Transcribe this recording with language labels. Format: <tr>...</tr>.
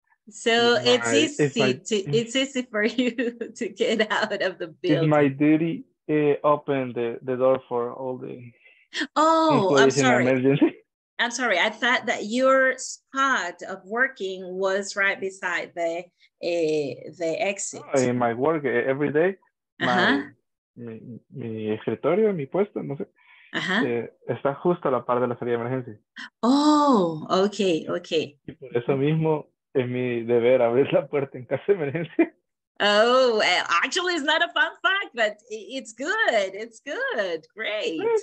<en>So it's easy for you to get out of the building. It's my duty to open the door for all the employees in emergency. I'm sorry. I thought that your spot of working was right beside the exit. Oh, in my work every day,</en> <es>mi escritorio, mi puesto, no sé, está justo a la par de la salida de emergencia.</es> <en>Oh, okay, okay.</en> <es>Y por eso mismo es mi deber abrir la puerta en caso de emergencia.</es> <en>Oh, actually, it's not a fun fact, but it's good. It's good. Great.</en>